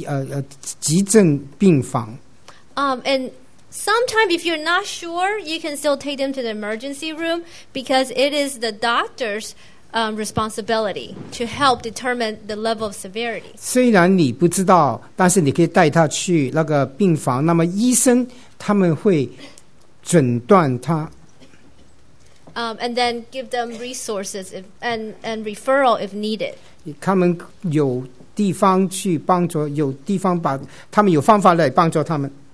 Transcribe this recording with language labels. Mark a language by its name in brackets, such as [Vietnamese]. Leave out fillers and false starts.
[Chinese] 那么他们要把他们带到去这个911的急症病房。 [English] And sometimes if you're not sure, you can still take them to the emergency room because it is the doctor's responsibility to help determine the level of severity. [Chinese] 虽然你不知道，但是你可以带他去那个病房。那么医生他们会诊断他。 [English] And then give them resources if, and referral if needed. [Chinese] 他们有地方去帮助，有地方把他们有方法来帮助他们。